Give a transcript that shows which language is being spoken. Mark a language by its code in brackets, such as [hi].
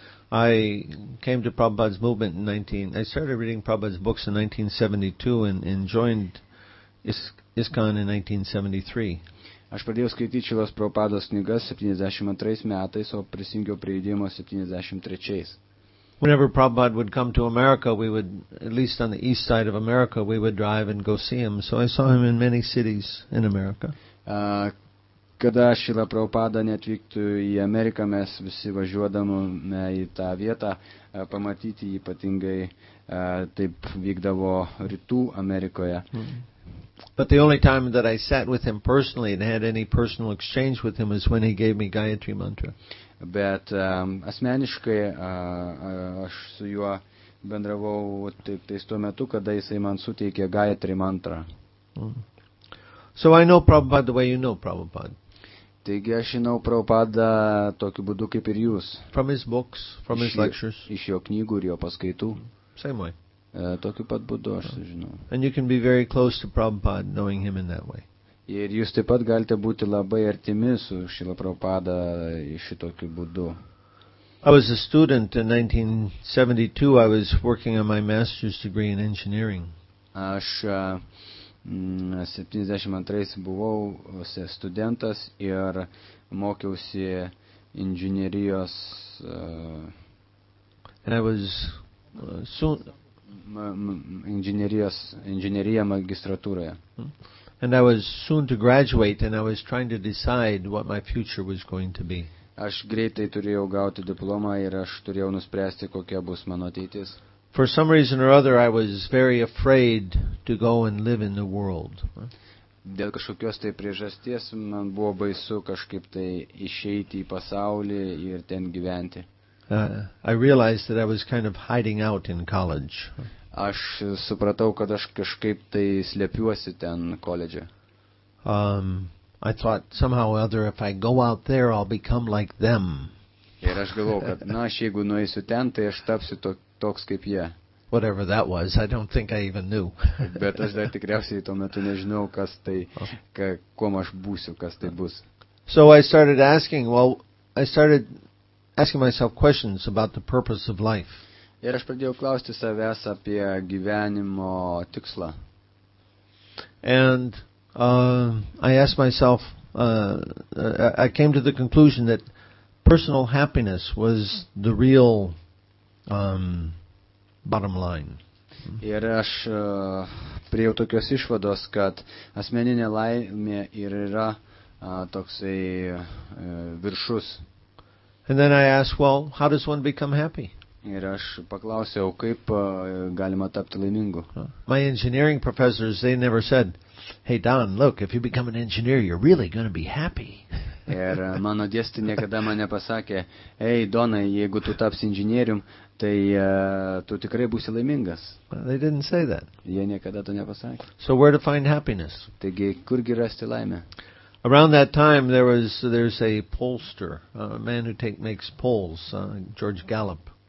[en] I came to Prabhupada's movement in 19... I started reading Prabhupada's books in 1972 and joined ISKCON in 1973. [lt] Aš pradėjau skaityti šios Prabhupados knygas 72 metais, o prisijungiau prie judėjimo 73. [en] Whenever Prabhupada would come to America, we would, at least on the east side of America, we would drive and go see him. So I saw him in many cities in America. [lt] Kada Šila Prabhupada neatvyktų į Ameriką, mes visi važiuodamome į tą vietą pamatyti, ypatingai taip vykdavo Rytų Amerikoje. [en] But the only time that I sat with him personally and had any personal exchange with him is when he gave me Gayatri Mantra. [lt] Bet asmeniškai aš su juo bendravau taip tais tuo metu, kada jisai man suteikė Gayatri Mantra. [en] So I know Prabhupada the way you know Prabhupada. [lt] Taigi aš žinau Prabhupada tokiu būdu kaip ir jūs. [en] From his books, from his lectures. [lt] Iš jo knygų ir jo paskaitų. [en] Same way. [lt] Tokiu pat būdu aš žinau. [en] And you can be very close to Prabhupada knowing him in that way. [lt] Ir jūs taip pat galite būti labai artimi su Šila Prabhupada šitokiu būdu. [en] I was a student in 1972. I was working on my master's degree in engineering. [lt] Aš 72 buvau studentas ir mokiausi inžinierijos. [en] And I was soon [lt] inžinierija magistratūroje. [en] And I was soon to graduate and I was trying to decide what my future was going to be. [lt] Aš greitai turėjau gauti diplomą ir aš turėjau nuspręsti, kokia bus mano ateitis. [en] For some reason or other I was very afraid to go and live in the world. [lt] Dėl kažkokios tai priežasties man buvo baisu kažkaip tai išeiti į pasaulį ir ten gyventi. [en] I realized that I was kind of hiding out in college. [lt] Aš supratau, kad aš kažkaip tai slepiuosi ten koledže. [en] I thought somehow or other if I go out there I'll become like them. [lt] Ir aš galvojau, kad na aš jeigu nueisiu ten, tai aš tapsiu toks kaip jie. [en] Whatever that was, I don't think I even knew. [lt] Bet aš dar tikriausiai tuo metu nežinau, kas tai, kuom aš būsiu, kas tai bus. [en] So I started asking myself questions about the purpose of life. [lt] Ir aš pradėjau klausti savęs apie gyvenimo tikslą. [en] And I asked myself, I came to the conclusion that personal happiness was the real bottom line. [lt] Ir aš priėjau tokios išvados, kad asmeninė laimė ir yra toksai viršus. [en] And then I asked, well, how does one become happy? [lt] Ir aš paklausiau, kaip galima tapti laimingu. [en] My engineering professors, they never said, hey Don, look, if you become an engineer, you're really going to be happy. [lt] Ir mano dėstytojai niekada man nepasakė, hey Donai, jeigu tu tapsi inžinierium, tai tu tikrai būsi laimingas. [en] They didn't say that. [lt] Jie niekada to nepasakė. [en] So where to find happiness? [lt] Taigi, kurgi rasti laimę? [en] Around that time, there's a pollster, a man who makes polls, George Gallup.